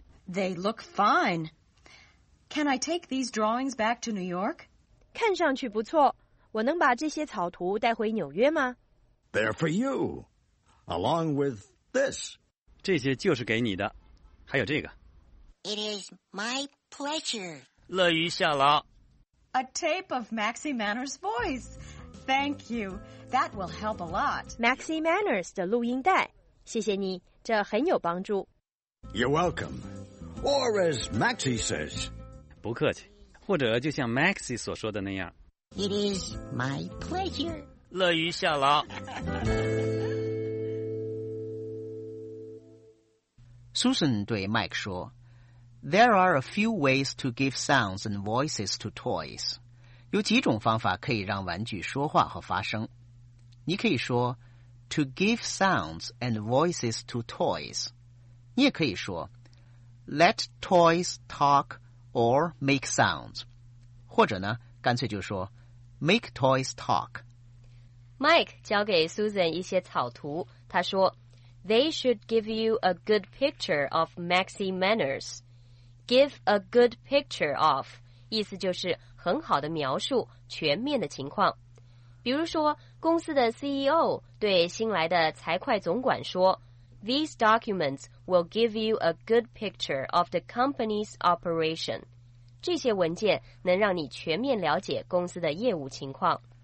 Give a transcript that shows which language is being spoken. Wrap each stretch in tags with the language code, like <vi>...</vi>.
<en>They look fine. Can I take these drawings back to New York?</en> <zh>看上去不错。我能把这些草图带回纽约吗？</zh> <en>They're for you. Along with this.</en> <zh>这些就是给你的。还有这个。</zh> <en>It is my pleasure.</en> <zh>乐于效劳。</zh> <en>A tape of Maxi Manners' voice. Thank you. That will help a lot.</en> <zh>Maxi Manners 的录音带。谢谢你，这很有帮助。</zh> <en>You're welcome. Or as Maxi says.</en> <zh>不客气。或者就像 Maxi 所说的那样。</zh> <en>It is my pleasure.</en> <zh>乐于效劳。</zh> <en>Susan</en> <zh>对 Mike 说</zh> <en>There are a few ways to give sounds and voices to toys.</en> <zh>有几种方法可以让玩具说话和发声。你可以说</zh> <en>To give sounds and voices to toys.</en> <zh>你也可以说</zh> <en>Let toys talk or make sounds.</en> <zh>或者呢，干脆就说</zh> <en>Make toys talk. Mike</en> <zh>交给 Susan 一些草图，他说</zh> <en>They should give you a good picture of Maxi Manners. Give a good picture of</en> <zh>意思就是很好的描述全面的情况。比如说公司的 CEO 对新来的财会总管说</zh> <en>These documents will give you a good picture of the company's operation.</en> <zh>这些文件能让你全面了解公司的业务情况。</zh>